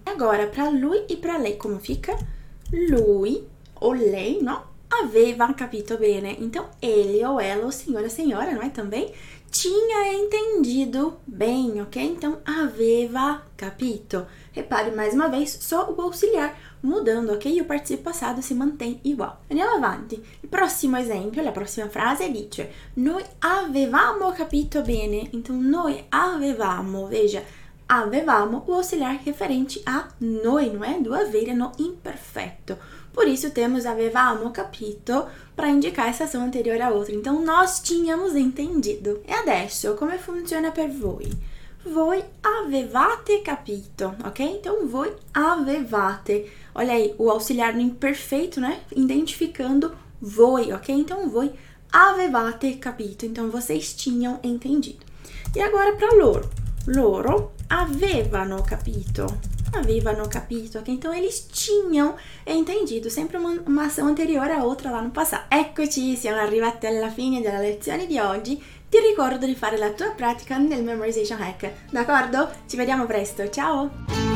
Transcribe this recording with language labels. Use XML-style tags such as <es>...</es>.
<pt>Agora, para lui e para lei, como fica? Lui ou lei, não?</pt> <it>Aveva capito bene.</it> <pt>Então, ele ou ela, ou senhora, senhora, não é também? Tinha entendido bem, ok? Então,</pt> <it>aveva capito.</it> <pt>Repare mais uma vez, só o auxiliar mudando, ok? E o participio passado se mantém igual.</pt> <it>Andiamo avanti. Il prossimo esempio, la prossima frase dice: Noi avevamo capito bene. Então, noi avevamo, veja.</it> <pt>avevamo o auxiliar referente a noi, não é? Do haver no imperfeito. Por isso temos avevamo, capito, para indicar essa ação anterior a outra. Então nós tínhamos entendido. E adesso, como funciona per voi?</pt> <it>Voi avevate capito, ok? Então, voi avevate.</it> <pt>Olha aí, o auxiliar no imperfeito, né? Identificando voi, ok? Então, voi avevate capito. Então, vocês tinham entendido. E agora, para loro.</pt> <it>Loro avevano capito. Avevano capito, ok?</it> <pt>Então, eles tinham entendido. Sempre uma ação anterior a outra lá no passato.</pt> <it>Eccoci, siamo arrivati alla fine della lezione di oggi. Ti ricordo di fare la tua pratica nel Memorization Hack, d'accordo? Ci vediamo presto, ciao!</it>